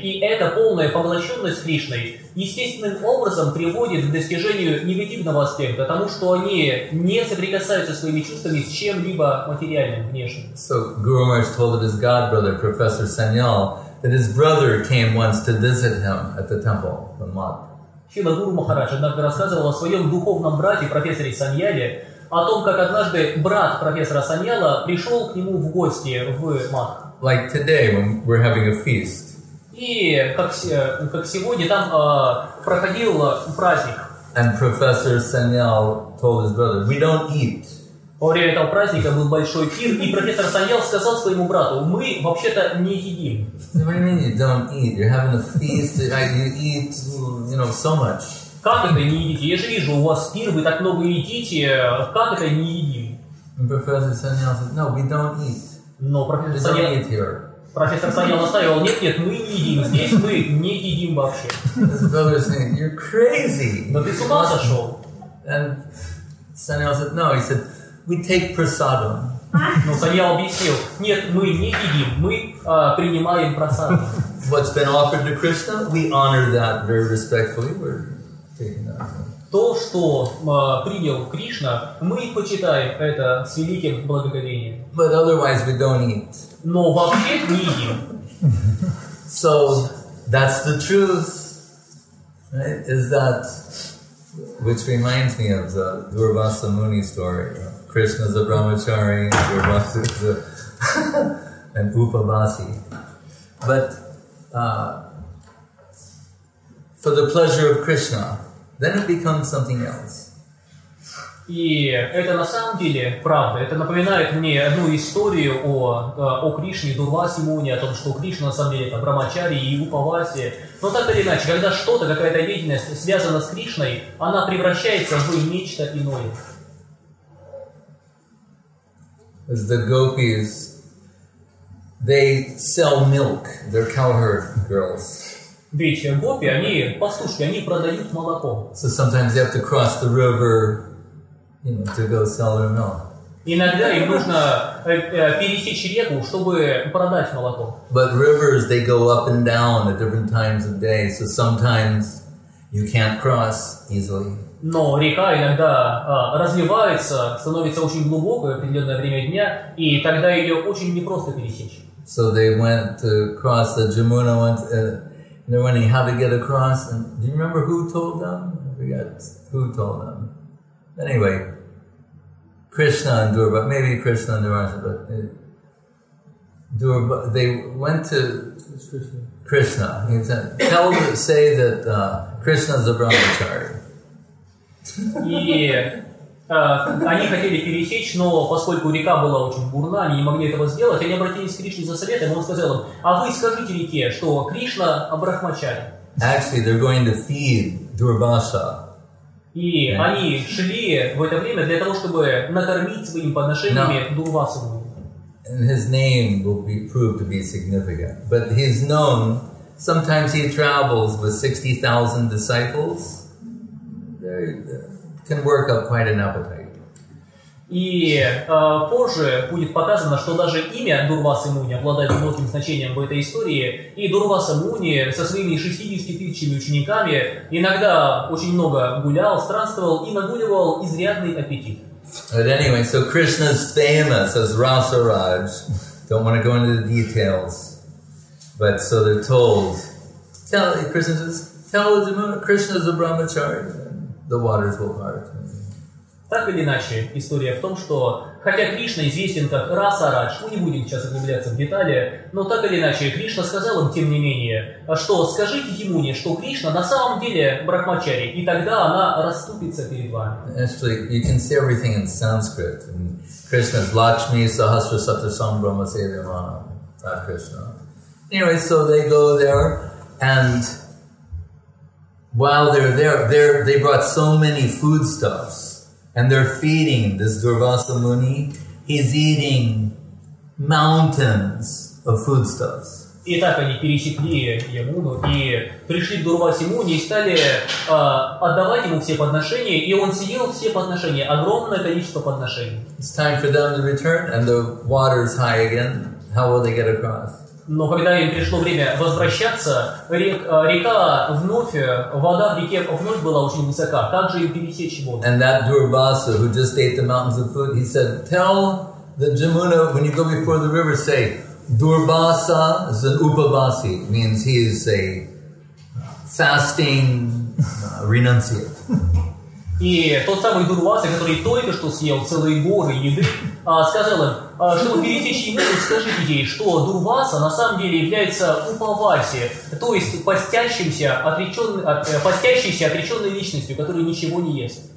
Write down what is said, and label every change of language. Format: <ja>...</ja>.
<ru>И эта полная поглощенность Кришной естественным образом приводит к достижению негативного аспекта, тому, что они не соприкасаются своими чувствами с чем-либо материальным, внешним.</ru> <en>So Guru Maharaj told of his godbrother, Professor Sanyal, that his brother came once to visit him at the temple, the mosque.</en> <ru>Шрила Гуру Махарадж однажды рассказывал о своем духовном брате, профессоре Саньяле, о том, как однажды брат профессора Саньяла пришел к нему в гости в Мах.</ru> <en>Like today, when we're having a feast.</en> <ru>И как сегодня, там проходил праздник.</ru> <en>And Professor Sanyal told his brother, we don't eat.</en> <ru>Во время этого праздника был большой пир, и профессор Саньял сказал своему брату, мы вообще-то не едим.</ru> <en>What do you mean you don't eat? You're having a feast, you eat, you know, so much.</en> <ru>Как это не едите? Я же вижу, у вас пир, вы так много едите, как это не едим?</ru> <en>And Professor Sanyal said, no, we don't eat. No, Professor</en> <ru>Sanyal настаивал, нет, мы не едим здесь, мы не едим вообще.</ru> <en>His brother was saying, you're crazy.</en> <ru>Но ты с ума сошел.</ru> <en>And Sanyal said, no, he said, we take prasadam.</en> <ru>Но Саньял объяснил, нет, мы не едим, мы принимаем прасаду.</ru> <en>What's been offered to Krishna, we honor that very respectfully. We're taking that.</en> <ru>То, что принял Кришна, мы почитаем это с великим благоговением.</ru> <en>But otherwise we don't eat.</en> <ru>Но вообще не едим.</ru> <en>So that's the truth, right? Is that which reminds me of the Durvasa Muni story. Krishna's a brahmachari, Durvasa's a an upavasi. But for the pleasure of Krishna, then it becomes something else.</en> <ru>И это на самом деле правда. Это напоминает мне одну историю о Кришне, Дурвасе Муни, о том, что Кришна на самом деле это брамачари и упаваси. Но так или иначе, когда что-то, какая-то деятельность связана с Кришной, она превращается в нечто иное.</ru> <en>As the gopis, they sell milk, they're cowherd girls.</en> <ru>Ведь гопи, они пастушки, они продают молоко.</ru> <en>So sometimes they have to cross the river, you know, to go sell their milk.</en> <ru>Иногда им нужно пересечь реку, чтобы продать молоко.</ru> <en>But rivers, they go up and down at different times of day, so sometimes you can't cross easily.</en> <ru>Но река иногда разливается, становится очень глубокой в определенное время дня, и тогда ее очень непросто пересечь.</ru> <en>So they went to cross the Jamuna once. They're wondering how to get across. And do you remember who told them? I forget who told them. Anyway, Krishna and Durva, maybe Krishna and Durvasa, but Durva, they went to Krishna. He said, tell them, say that Krishna's a brahmachari. Yeah.</en> <ru>Они хотели пересечь, но поскольку река была очень бурна, они не могли этого сделать, они обратились к Кришне за советом, и он сказал им, а вы скажите реке, что Кришна брахмачари.</ru> <en>Actually, they're going to feed Durvasa.</en> <ru>И</ru> <en>yeah.</en> <ru>Они шли в это время для того, чтобы накормить своими подношениями Дурвасу.</ru> <en>And his name will be proved to be significant. But he's known, sometimes he travels with 60,000 disciples. Can work up quite an appetite.</en> <ru>И позже будет показано, что даже имя Дурвасы Муни обладает многим значением в этой истории. И Дурваса Муни со своими 60 тысячами учениками иногда очень много гулял, странствовал и нагуливал изрядный аппетит.</ru> <en>But anyway, so Krishna's famous as Rasaraj. Don't want to go into the details. But so they're told. Tell Krishna says, tell the Jamuna, Krishna's a brahmachari. The waters will part. Так или иначе, история в том, что хотя Кришна известен как Расарадж, мы не будем сейчас углубляться в детали, но так или иначе, Кришна сказал им, тем не менее, что скажите Ямуне, что Кришна на самом деле брахмачари, и тогда она расступится перед вами. Actually, you can see everything in Sanskrit. Krishna is Lakshmi, Sahasra, Satya, Sam, Brahma, Seva, Mana, that Krishna. Anyway, so they go there and while they're there, they brought so many foodstuffs, and they're feeding this Durvasa Muni. He's eating mountains of foodstuffs.</en> <ru>И так они пересекли Ямуну и пришли к Дурвасе Муни и стали отдавать ему все подношения, и он съел все подношения, огромное количество подношений.</ru> <en>It's time for them to return, and the water's high again. How will they get across?</en> <ru>Но когда им пришло время возвращаться, река вновь, вода в реке вновь была очень высока. Как же им пересечь воду?</ru> <en>And that Durvasa, who just ate the mountains of food, he said, tell the Jamuna, when you go before the river, say, Durvasa is an upavasi, means he is a fasting renunciate.</en> <ru>И тот самый Дурваса, который только что съел целые горы еды, сказал им, чтобы пересечь ему, скажите ей, что Дурваса на самом деле является упаваси, то есть постящейся отреченной личностью, которая ничего не ест.</ru>